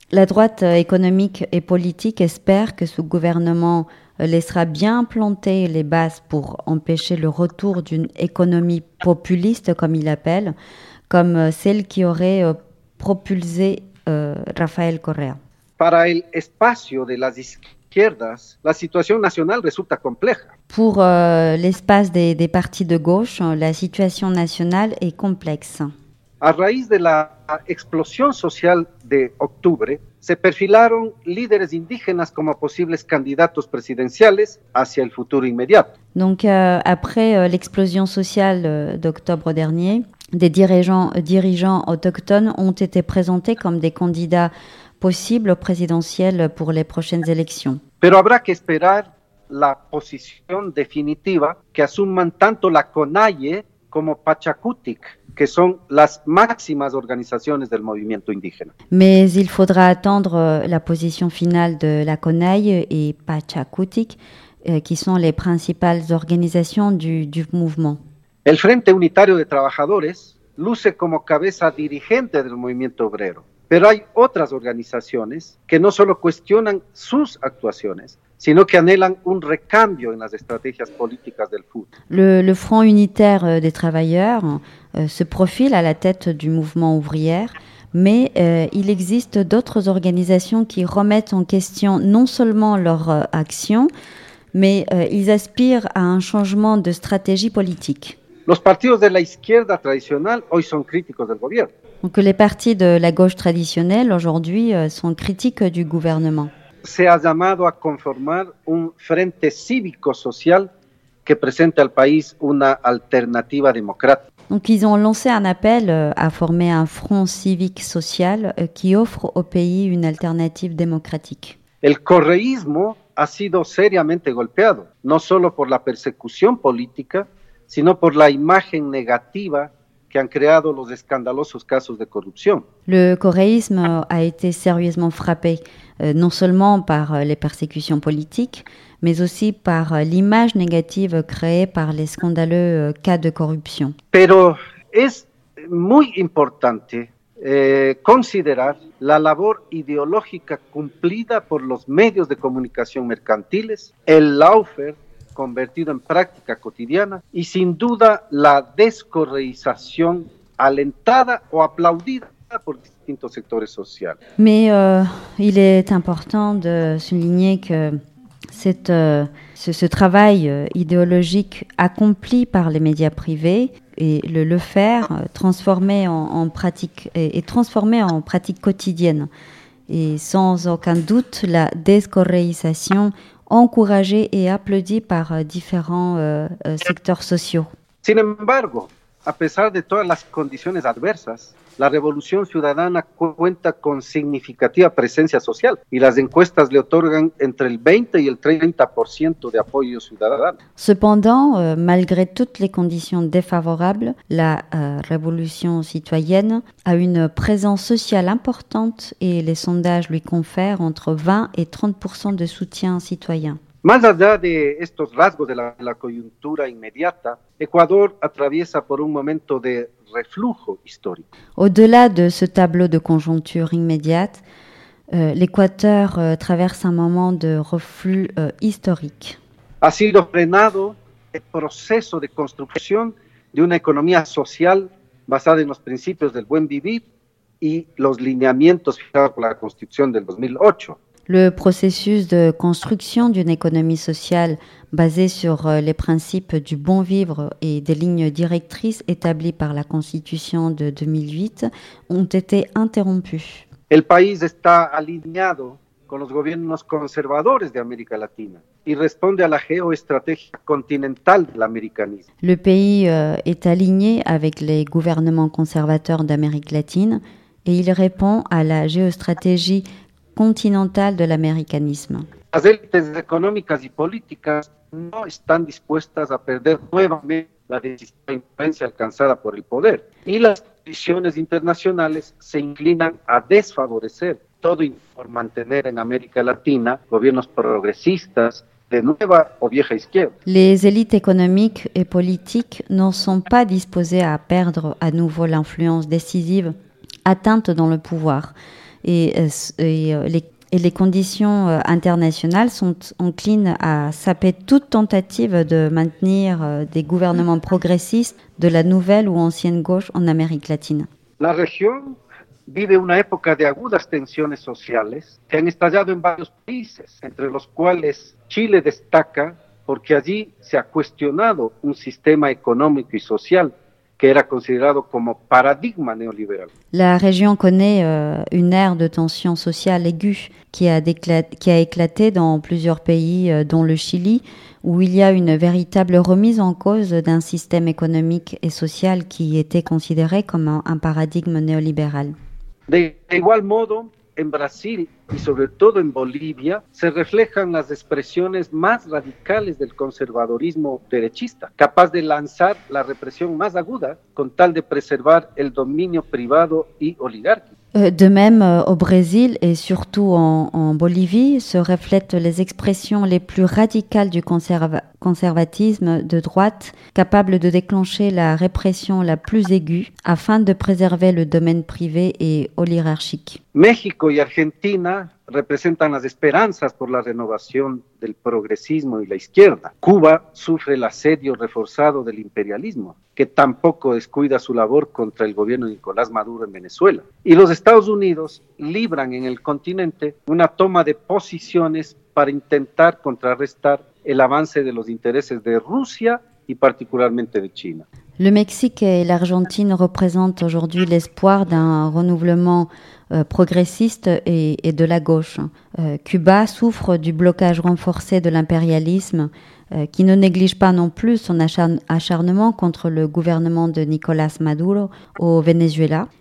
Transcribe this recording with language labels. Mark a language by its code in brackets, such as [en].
[fr] La droite économique et politique espère que ce gouvernement laissera bien planter les bases pour empêcher le retour d'une économie populiste, comme il l'appelle, comme celle qui aurait propulsé Rafael Correa. [es] Para el espacio de las izquierdas, la situación nacional resulta compleja. [fr] Pour l'espace des partis de gauche, la situation nationale est complexe. [es] A raíz de la explosión social de octubre, se perfilaron líderes indígenas como posibles candidatos presidenciales hacia el futuro inmediato. [fr] Donc après l'explosion sociale d'octobre dernier, des dirigeants autochtones ont été présentés comme des candidats possibles présidentiels pour les prochaines élections. [es] Pero habrá que esperar la posición definitiva que asuman tanto la CONAIE como Pachakutik, que son las máximas organizaciones del movimiento indígena. [fr] Mais il faudra attendre la position finale de la CONAIE et Pachakutik, qui sont les principales organisations du mouvement. [es] El Frente Unitario de Trabajadores luce como cabeza dirigente del movimiento obrero, pero hay otras organizaciones que no solo cuestionan sus actuaciones, sino que anhelan un recambio en las estrategias políticas del FUT. [fr] Le Front Unitaire des Travailleurs se profile à la tête du mouvement ouvrière, mais il existe d'autres organisations qui remettent en question non seulement leur action, mais ils aspirent à un changement de stratégie politique. [es] Los partidos de la izquierda tradicional hoy son críticos del gobierno. [fr] Donc les partis de la gauche traditionnelle aujourd'hui sont critiques du gouvernement. [es] Se ha llamado a conformar un frente cívico-social que presente al país una alternativa democrática. [fr] Donc ils ont lancé un appel à former un front civique social qui offre au pays une alternative démocratique. [es] El correísmo ha sido seriamente golpeado, no solo por la persecución política, sino por la imagen negativa que han creado los escandalosos casos de corrupción. [fr] Le correísmo a été sérieusement frappé, non seulement par les persécutions politiques, mais aussi par l'image négative créée par les scandaleux cas de corruption. [es] Pero es muy importante considerar la labor ideológica cumplida por los medios de comunicación mercantiles, el laufer convertido en práctica cotidiana y sin duda la descorreización alentada o aplaudida por distintos sectores sociales. [fr] Mais il est important de souligner que ce travail idéologique accompli par les médias privés et le faire transformer en pratique et transformer en pratique quotidienne et sans aucun doute la descorreisation encouragée et applaudie par différents secteurs sociaux. [es] Sin embargo, a pesar de todas las condiciones adversas, la Revolución Ciudadana cuenta con significativa presencia social y las encuestas le otorgan entre el 20 y el 30% de apoyo ciudadano. [fr] Cependant, malgré toutes les conditions défavorables, la Révolution Citoyenne a une présence sociale importante et les sondages lui confèrent entre 20 et 30% de soutien citoyen. [es] Más allá de estos rasgos de la coyuntura inmediata, Ecuador atraviesa por un momento de reflujo histórico. [fr] Au-delà de ce tableau de conjoncture immédiate, l'Équateur traverse un moment de reflux historique. [es] Ha sido frenado el proceso de construcción de una economía social basada en los principios del buen vivir y los lineamientos fijados por la Constitución del 2008. [fr] Le processus de construction d'une économie sociale basée sur les principes du bon vivre et des lignes directrices établies par la Constitution de 2008 ont été interrompus. [es] El país está alineado con los gobiernos conservadores de América Latina y responde a la geoestrategia continental del americanismo. [fr] Le pays est aligné avec les gouvernements conservateurs d'Amérique latine et il répond à la géostratégie continentale de l'américanisme. [es] las élites económicas y políticas no están dispuestas a perder nuevamente la decisiva influencia alcanzada por el poder, y las condiciones internacionales se inclinan a desfavorecer todo por mantener en América Latina gobiernos progresistas de nueva o vieja izquierda. [fr] Les élites économiques et politiques ne sont pas disposées à perdre à nouveau l'influence décisive atteinte dans le pouvoir. Et les conditions internationales sont enclines à saper toute tentative de maintenir des gouvernements progressistes de la nouvelle ou ancienne gauche en Amérique latine. [es] La région vive una época de agudas tensiones sociales que han estallado en varios países, entre los cuales Chile destaca porque allí se ha cuestionado un sistema económico y social que era considerado como paradigma neoliberal. [fr] La región connaît une ère de tension sociale aiguë qui a éclaté dans plusieurs pays, dont le Chili, où il y a une véritable remise en cause d'un système économique et social qui était considéré comme un paradigme néolibéral. [es] De igual modo, en Brasil y sobre todo en Bolivia, se reflejan las expresiones más radicales del conservadorismo derechista, capaz de lanzar la represión más aguda con tal de preservar el dominio privado y oligárquico. [fr] De même, au Brésil et surtout en Bolivie, se reflètent les expressions les plus radicales du conservatisme de droite, capables de déclencher la répression la plus aiguë afin de préserver le domaine privé et oligarchique. [es] México y Argentina representan las esperanzas por la renovación del progresismo y la izquierda. Cuba sufre el asedio reforzado del imperialismo, que tampoco descuida su labor contra el gobierno de Nicolás Maduro en Venezuela. Y los Estados Unidos libran en el continente una toma de posiciones para intentar contrarrestar el avance de los intereses de Rusia y particularmente de China. [fr] Le Mexique et l'Argentine représentent aujourd'hui l'espoir d'un renouvellement progressiste et de la gauche. Cuba souffre du blocage renforcé de l'impérialisme, qui ne néglige pas non plus son acharnement contre le gouvernement de Nicolas Maduro au Venezuela.